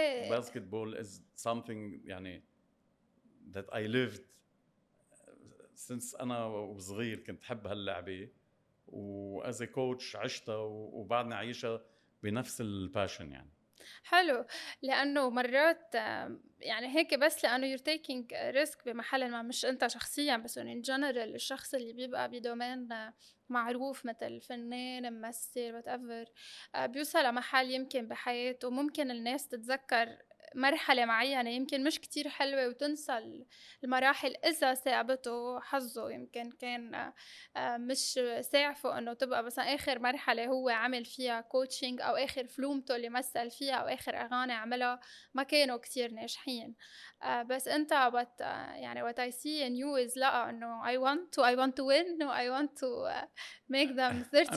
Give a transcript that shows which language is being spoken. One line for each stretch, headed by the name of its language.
English: Basketball is something يعني that I lived since
Arabic: أنا وصغير كنت حب هاللعبة. و
English: as a coach
Arabic: عشتها وبعدني عايشة بنفس الباشن يعني. حلو، لأنه مرات يعني هيك بس لأنه
English: you're taking risk
Arabic: بمحل ما، مش أنت شخصيا بس
English: in general.
Arabic: الشخص اللي بيبقى بدومين معروف مثل فنان، ممثل، whatever، بيوصل لمحل يمكن بحياته ممكن الناس تتذكر مرحلة معينة يمكن مش كتير حلوة وتنسى المراحل إذا ساعبته حظه. يمكن كان مش ساعفه أنه تبقى بس آخر مرحلة هو عمل فيها كوتشينج، أو آخر فلومته اللي مثل فيها، أو آخر أغاني عملها ما كانوا كتير ناجحين. بس أنت بت يعني
English: what I see in you is لا أنه I want to win و I want to make them 38.